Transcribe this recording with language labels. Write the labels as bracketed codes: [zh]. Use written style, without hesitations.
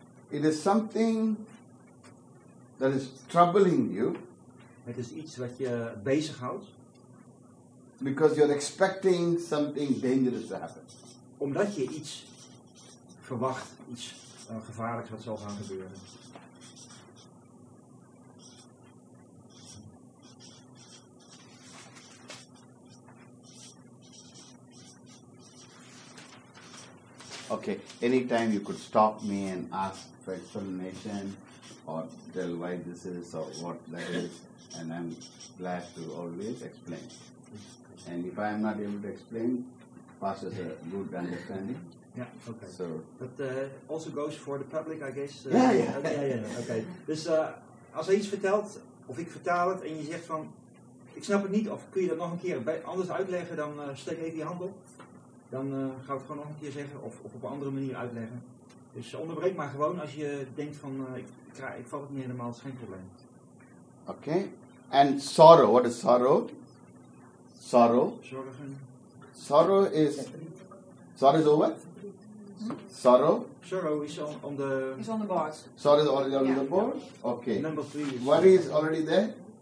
[en] It is something that is troubling you. [nl] Het is iets wat je bezighoudt. [en] Because you're expecting something dangerous to happen. [nl] Omdat je iets verwacht, iets gevaarlijks wat zal gaan gebeuren. [en] Okay, anytime you could stop me and ask for explanation or tell why this is or what that is, and I'm glad to always explain. And if I'm not able to explain, pass us a good understanding. Yeah, okay. So, but also goes for the public, I guess. Yeah. Okay. [nl] Dus als hij iets vertelt, of ik vertaal het, en je zegt van, ik snap het niet, of kun je dat nog een keer anders uitleggen, dan steek even je hand op. Dan ga ik het gewoon nog een keer zeggen of op een andere manier uitleggen. Dus onderbreek maar gewoon als je denkt van ik val het niet helemaal, het is geen probleem. Oké. [en] En sorrow, what is sorrow? Sorrow. [nl] Zorgen. [en] Sorrow is. Sorrow is over? Sorrow. Sorrow is on the. It's on the board. Sorrow is already on the board? Yeah. Oké. Okay. Number 3 is. Worry is already there?